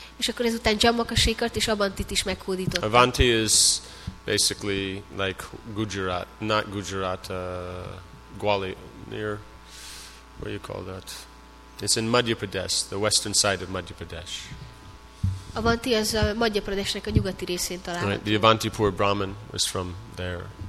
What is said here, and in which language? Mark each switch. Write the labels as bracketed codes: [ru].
[hu] És akkor ezután Jambaka, Shekart és Avantit is meghódított. [en] Avanti is basically like Gujarat, not Gujarat, Gwalior, what do you call that? It's in Madhya Pradesh, the western side of Madhya Pradesh. [hu] Avanti az a Madhya Pradeshnek a nyugati részén található. [en] The Avantipur Brahmin was from there.